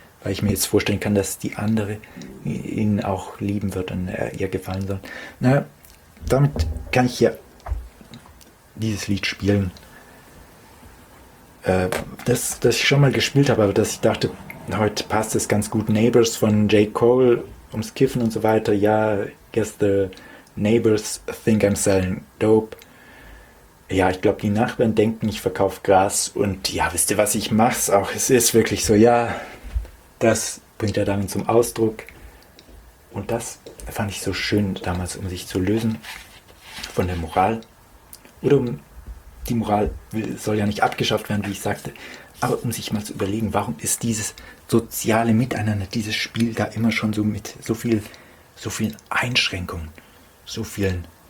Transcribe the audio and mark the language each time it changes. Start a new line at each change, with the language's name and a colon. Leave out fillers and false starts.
German: Weil ich mir jetzt vorstellen kann, dass die andere ihn auch lieben wird und ihr gefallen soll. Naja, damit kann ich hier dieses Lied spielen. Das ich schon mal gespielt habe, aber dass ich dachte, heute passt es ganz gut. Neighbors von J. Cole, ums Kiffen und so weiter.
English: Ja, guess the neighbors think I'm selling dope.
German: Ja, ich glaube, die Nachbarn denken, ich verkaufe Gras. Und ja, wisst ihr was, ich mach's auch. Es ist wirklich so, ja, das bringt er dann zum Ausdruck. Und das fand ich so schön damals, um sich zu lösen von der Moral. Oder um die Moral soll ja nicht abgeschafft werden, wie ich sagte, aber um sich mal zu überlegen, warum ist dieses soziale Miteinander, dieses Spiel da immer schon so mit so vielen Einschränkungen, so vielen